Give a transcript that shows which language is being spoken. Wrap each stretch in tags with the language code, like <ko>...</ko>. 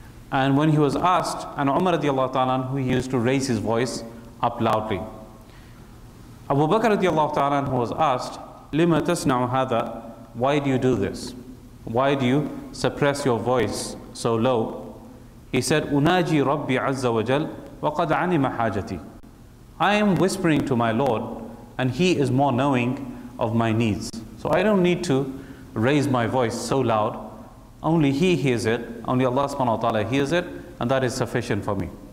<en>And when he was asked, and Umar radiallahu ta'ala anhu, he used to raise his voice up loudly. Abu Bakr radiallahu ta'ala anhu was asked,</en> <ar>لِمَ تَسْنَعُ هَذَا?</ar> <en>Why do you do this? Why do you suppress your voice so low? He said,</en> <ar>أُنَاجِي رَبِّي عَزَّ وَجَلْ وَقَدْ عَنِمَ حَاجَتِي.</ar> <en>I am whispering to my Lord, and He is more knowing of my needs. So I don't need to raise my voice so loud. Only He hears it, only Allah subhanahu wa ta'ala hears it, and that is sufficient for me.</en>